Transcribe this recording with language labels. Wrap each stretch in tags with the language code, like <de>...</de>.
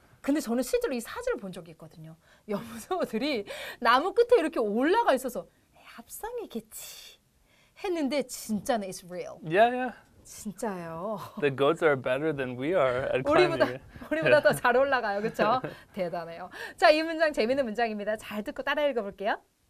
<ko>근데 저는 실제로 이 사진을 본 적이 있거든요. 염소들이 나무 끝에 이렇게 올라가 있어서 합성이겠지 했는데 진짜는 it's real.</ko> <en>Yeah, yeah.</en> <ko>진짜요.</ko> <en>The goats are better than we are at climbing.</en> <ko>우리보다 yeah. 더 잘 올라가요. 그렇죠? 대단해요. 자, 이 문장 재미있는 문장입니다. 잘 듣고 따라 읽어볼게요.</ko>